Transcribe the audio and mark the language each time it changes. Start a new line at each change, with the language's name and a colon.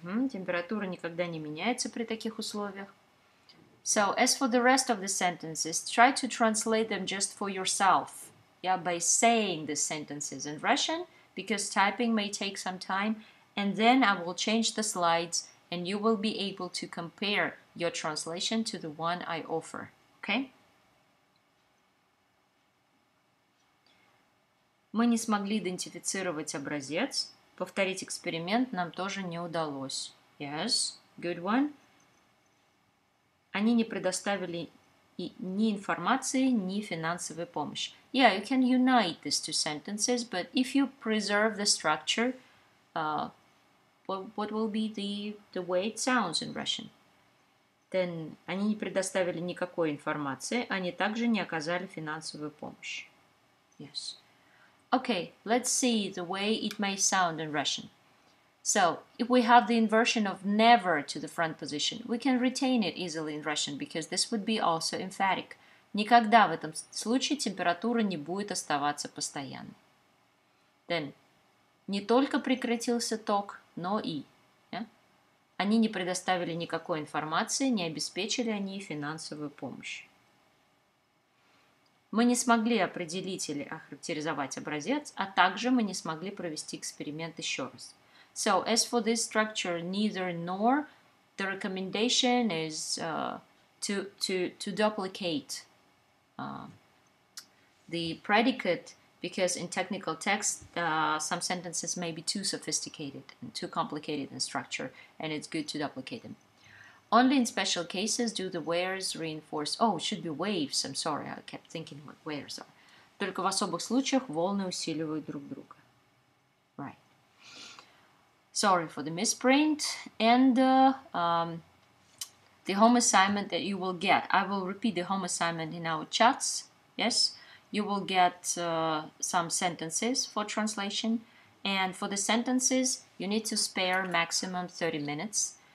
Russian: Температура никогда не меняется при таких условиях.
English: So, as for the rest of the sentences, try to translate them just for yourself. Yeah, by saying the sentences in Russian, because typing may take some time. And then I will change the slides and you will be able to compare your translation to the one I offer, okay?
Russian: Мы не смогли идентифицировать образец. Повторить эксперимент нам тоже не удалось.
English: Yes, good one.
Russian: Они не предоставили ни информации, ни финансовой помощи.
English: Yeah, you can unite these two sentences, but if you preserve the structure, what will be the way it sounds in Russian? Then,
Russian: они не предоставили никакой информации, они также не оказали финансовую помощь.
English: Yes. Okay, let's see the way it may sound in Russian. So, if we have the inversion of never to the front position, we can retain it easily in Russian because this would be also emphatic.
Russian: Никогда в этом случае температура не будет оставаться постоянной.
English: Then,
Russian: не только прекратился ток, но и... Они не предоставили никакой информации, не обеспечили они финансовую помощь. Мы не смогли определить или охарактеризовать образец, а также мы не смогли провести эксперимент еще раз.
English: So, as for this structure, neither nor, the recommendation is to duplicate the predicate, because in technical text, some sentences may be too sophisticated and too complicated in structure, and it's good to duplicate them. Only in special cases do the wares reinforce... Oh, it should be waves. I'm sorry. I kept thinking what wares are. Только в особых случаях волны усиливают друг друга. Right. Sorry for the misprint. And the home assignment that you will get. I will repeat the home assignment in our chats. Yes? You will get some sentences for translation. And for the sentences, you need to spare maximum 30 minutes.